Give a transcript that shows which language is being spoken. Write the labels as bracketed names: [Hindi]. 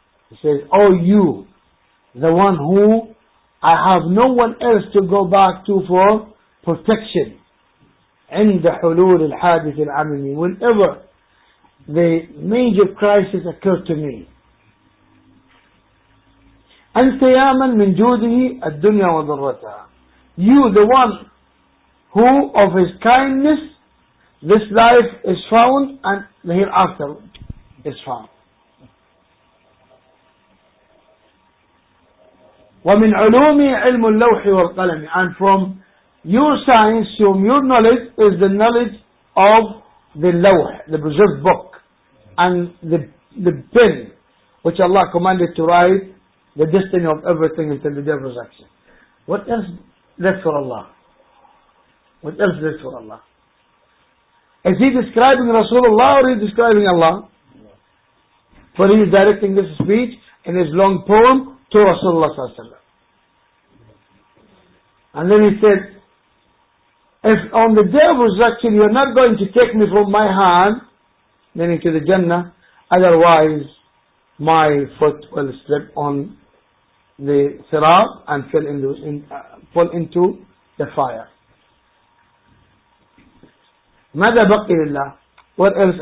[English] He says, oh you, the one who I have no one else to go back to for protection. [Arabic] عند حلول الحادث العمني. [English] Whenever the major crisis occurred to me. [Arabic] أنت يا من من جوده الدنيا وضرتها. [English] You, the one who of his kindness this life is found and the hereafter is found. [Arabic] ومن علومي علم اللوح والقلم. [English] And from your science, from your knowledge is the knowledge of the lawh, the preserved book, and the pen, which Allah commanded to write the destiny of everything until the day of resurrection. What else left for Allah? What else left for Allah? Is he describing Rasulullah or is he describing Allah? For he is directing this speech in his long poem to Rasulullah sallallahu alayhi wa sallam. And then he said, if on the day of resurrection you are not going to take me from my hand, meaning to the Jannah, otherwise my foot will slip on the sirat and fall into the fire. [Arabic] ماذا بقي لله؟ [English] What else?